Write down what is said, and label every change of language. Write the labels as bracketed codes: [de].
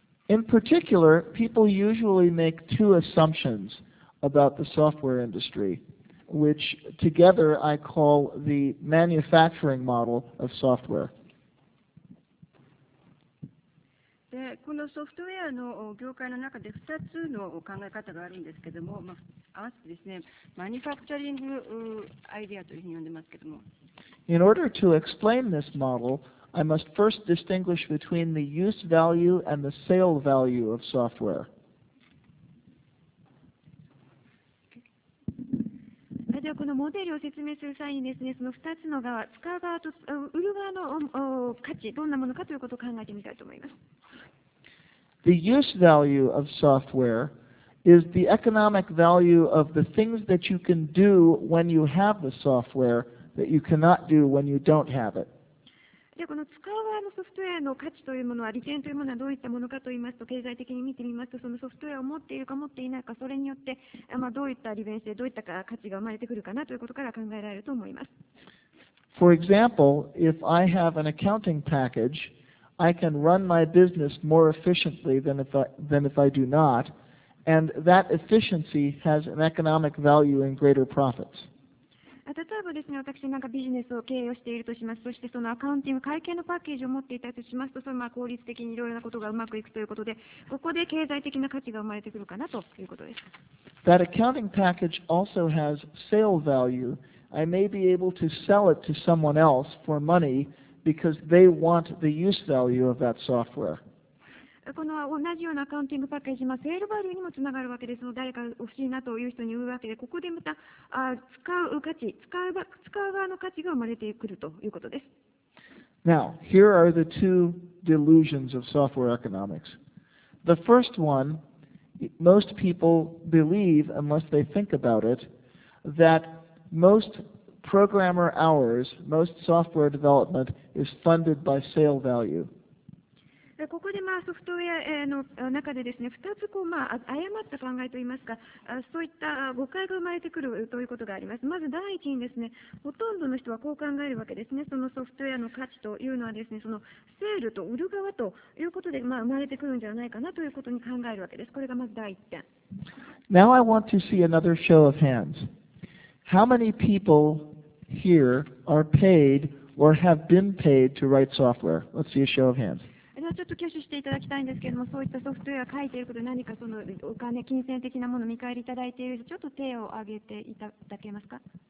[en] In particular, people usually make two assumptions about the software industry, which together I call the manufacturing model of software. [ja] で、このソフトウェアの業界の中で2つの考え方があるんですけども、まあ、合わせてですね、マニファクチャリングアイデアというふうに呼んでますけども。 [en] In order to explain this model,I must first distinguish between the use value and the sale value of software. [ja] じゃあこのモデルを説明する際にですね、その2つの側、使う側と売る側の価値、どんなものかということを考えてみたいと思います。 [en] The use value of software is the economic value of the things that you can do when you have the software that you cannot do when you don't have it. [ja] でこの使う側のソフトウェアの価値というものは、利点というものはどういったものかといいますと、経済的に見てみますと、そのソフトウェアを持っているか持っていないか、それによって、まあ、どういった利便性、どういったか価値が生まれてくるかなということから考えられると思います。 [en] For example, if I have an accounting package, I can run my business more efficiently than if I do not, and that efficiency has an economic value in greater profits. [ja] 例えばですね、私なんかビジネスを経営をしているとします。そしてそのアカウンティング、会計のパッケージを持っていたとしますと、それまあ効率的にいろいろなことがうまくいくということで、ここで経済的な価値が生まれてくるかなということです。 [en] That accounting package also has sale value. I may be able to sell it to someone else for money because they want the use value of that software. [ja] この同じようなアカウンティングパッケージ、まあ、セールバリューにもつながるわけですので、誰か欲しいなという人に言うわけで、ここでまた使う側の価値が生まれてくるということです。 [en] Now, here are the two delusions of software economics. The first one, most people believe, unless they think about it, that most programmer hours, most software development is funded by sale value. [ja] ここでまあソフトウェアの中でですね、2つこうまあ誤った考えといいますか、そういった誤解が生まれてくるということがあります。まず第一にですね、ほとんどの人はこう考えるわけですね。そのソフトウェアの価値というのはですね、そのセールと売る側ということでまあ生まれてくるんじゃないかなということに考えるわけです。これがまず第一点。 [en] Now I want to see another show of hands. How many people here are paid or have been paid to write software? Let's see a show of hands. [ja] はちょっと挙手していただきたいんですけれども、そういったソフトウェアを書いていることで、何かそのお金、金銭的なものを見返りいただいている、ちょっと手を挙げていただけますか。